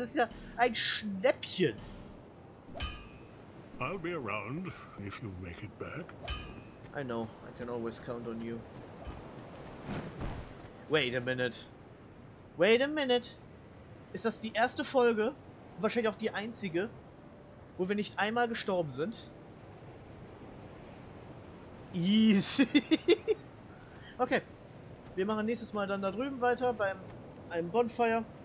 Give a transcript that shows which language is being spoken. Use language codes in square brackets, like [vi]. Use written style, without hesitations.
[de] Das ist ja ein Schnäppchen! [en] I'll be around if you make it back. I know, I can always count on you. Wait a minute. Wait a minute. [de] Ist das die erste Folge, wahrscheinlich auch die einzige, wo wir nicht einmal gestorben sind? Easy. Okay. Wir machen nächstes Mal dann da drüben weiter beim einem Bonfire.